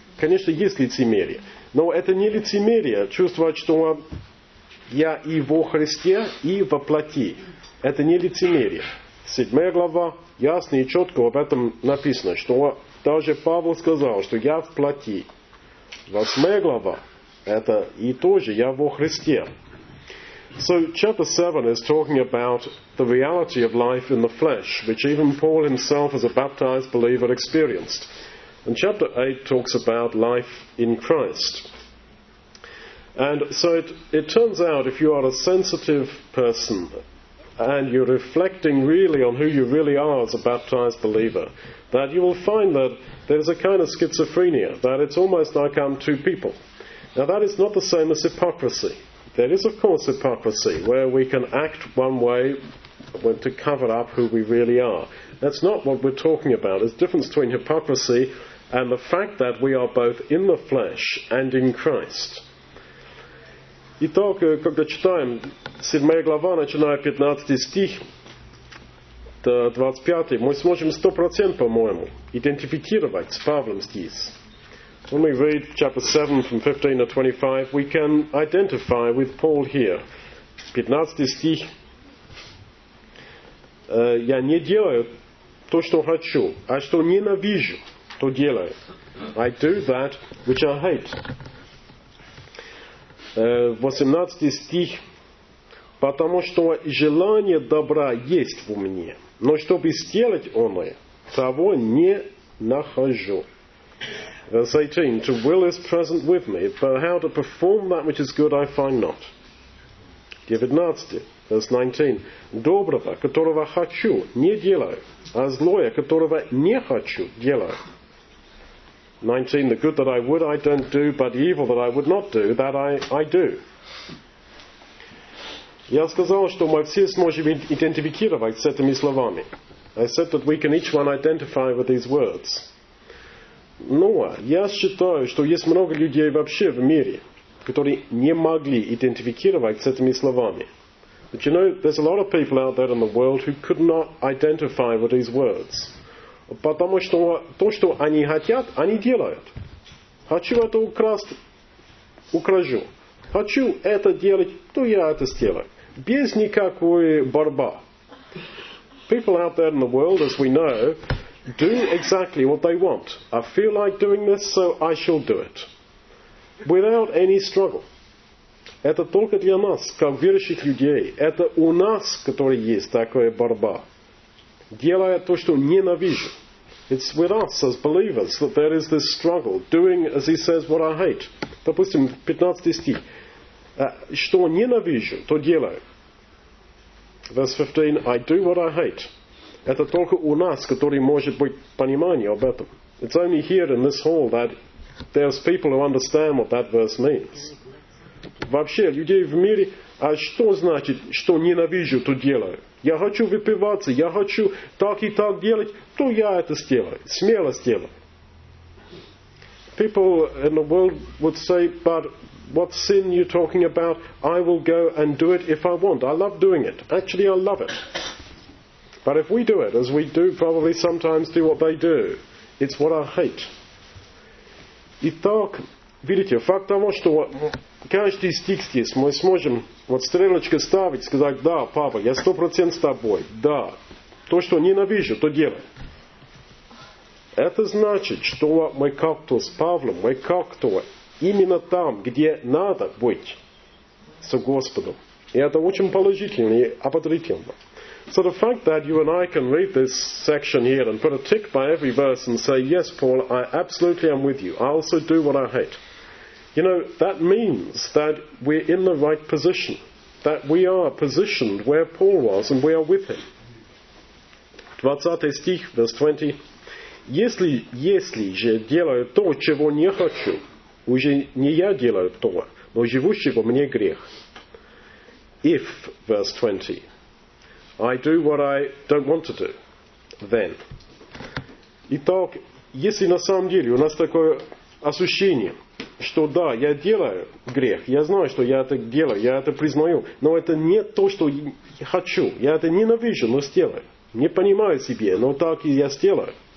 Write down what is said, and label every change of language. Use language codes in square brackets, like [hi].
[ru] Конечно, есть лицемерие. Но это не лицемерие чувствовать, что я и во Христе, и во плоти. Это не лицемерие. 7 глава ясно и четко об этом написано, что даже Павел сказал, что я в плоти. 8 глава это и тоже я во Христе. [en] So chapter 7 is talking about the reality of life in the flesh, which even Paul himself as a baptized believer experienced. And chapter 8 talks about life in Christ. And so it turns out if you are a sensitive person and you're reflecting really on who you really are as a baptized believer, that you will find that there's a kind of schizophrenia, that it's almost like I'm two people. Now that is not the same as hypocrisy. There is of course hypocrisy, where we can act one way to cover up who we really are. That's not what we're talking about. There's a difference between hypocrisy and the fact that we are both in the flesh and in Christ. [ru] Итак, когда читаем 7 глава, начиная 15 стих до 25, мы сможем 100%, по-моему, идентифицировать с Павлом здесь. [en] When we read chapter 7 from 15 to 25, we can identify with Paul here. [ru] 15 стих. Я не делаю то, что хочу, а что ненавижу. То делаю. [en] I do that which I hate. [ru] 18 стих. Потому что желание добра есть в мне, но чтобы сделать оно, того не нахожу. [en] Verse 18. To will is present with me, but how to perform that which is good I find not. 19. Verse 19. [ru] Доброго, которого хочу, не делаю, а злое, которого не хочу, делаю. [en] 19, the good that I would I don't do, but the evil that I would not do, that I do. [ru] Я сказал, что мы все сможем идентифицировать с этими словами. [en] I said that we can each one identify with these words. [ru] Но я считаю, что есть много людей вообще в мире, которые не могли идентифицировать с этими словами. [en] But you know, there's a lot of people out there in the world who could not identify with these words. [ru] Потому что то, что они хотят, они делают. Хочу это украсть, укражу. Хочу это делать, то я это сделаю. Без никакой борьбы. [en] People out there in the world, as we know, do exactly what they want. I feel like doing this, so I shall do it. Without any struggle. [ru] Это только для нас, как верующих людей. Это у нас, которые есть такая борьба. Делая то, что ненавижу. [en] It's with us as believers that there is this struggle. Doing, as he says, what I hate. [ru] Допустим, 15 стих. Что ненавижу, то делаю. [en] Verse 15, I do what I hate. [ru] Это только у нас, которые может быть понимание об этом. [en] It's only here in this hall that there's people who understand what that verse means. [ru] Вообще, людей в мире, а что значит, что ненавижу, то делаю? Я хочу выпиваться, я хочу так и так делать, то я это сделаю, смело сделаю. [en] People in the world would say, but what sin you're talking about, I will go and do it if I want. I love doing it. Actually, I love it. But if we do it, as we do probably sometimes do what they do, it's what I hate. [ru] Итак, видите, факт того, что каждый стих здесь мы сможем вот стрелочка ставить, сказать, да, папа, я 100% с тобой, да. То, что ненавижу, то делай. Это значит, что мы как-то с Павлом, мы как-то именно там, где надо быть с Господом. И это очень положительно и ободрительно. [en] So the fact that you and I can read this section here and put a tick by every verse and say, yes, Paul, I absolutely am with you. I also do what I hate. You know, that means that we're in the right position. That we are positioned where Paul was and we are with him. [ru] 20 стих, [en] verse 20. [ru] Если же делаю то, чего не хочу, уже не я делаю то, но живущий во мне грех. [en] If, verse 20, I do what I don't want to do, then. [ru] Итак, если на самом деле у нас такое ощущение, что да, я делаю грех, я знаю, что я это делаю, я это признаю, но это не то, что я хочу. Я это ненавижу, но сделаю. Не понимаю себе, но так и я сделаю.